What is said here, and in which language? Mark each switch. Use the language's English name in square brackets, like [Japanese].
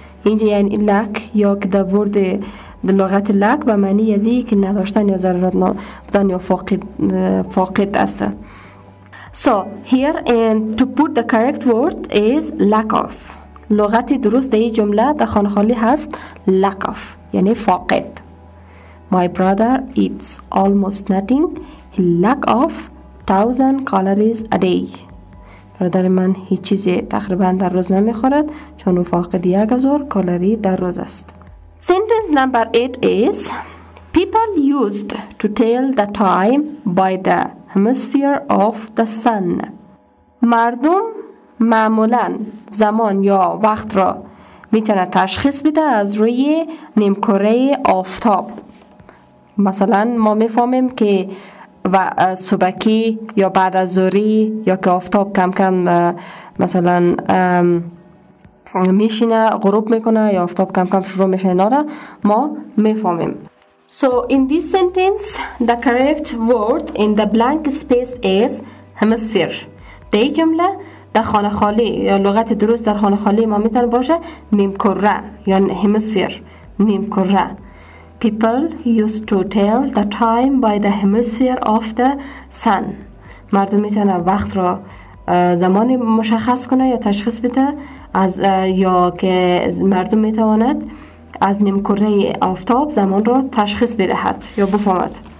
[Persian] اینجا یعنی lack یا که در ورد در لغت lack به معنی یعنی که نداشتن یا ضرورت بودن یا فاقد است. [English] So here and to put the correct word is lack of. [Persian] لغت درست در این جمله در خانه خالی هست lack of یعنی فاقد. [English] My brother eats almost nothing. He lack of 1000 calories a day. [Persian] برادر من هیچ چیزی تقریبا در روز نمی خورد چون او فاقد 1000 کالری در روز است. [English] Sentence number 8 is people used to tell the time by the hemisphere of the sun. [Persian] مردم معمولاً زمان یا وقت را میتونه تشخیص بده از روی نیمکره آفتاب. مثلا ما میفهمیم که صبحی یا بعد از ظهری یا که آفتاب کم کم مثلا میشینه غروب میکنه یا آفتاب کم کم شروع میشه اینا را ما میفهمیم. [English] So in this sentence the correct word in the blank space is hemisphere. [Persian] ده جمله در خانه خالی یا لغت درست در خانه خالی ما میتونه باشه نیمکره یا همسفیر. نیمکره. [English] People used to tell the time by the hemisphere of the sun. [Persian] مردم میتونه وقت را زمانی مشخص کنه یا تشخیص بده از یا که مردم میتواند از نیمکره آفتاب زمان را تشخیص بدهد یا بفهمد.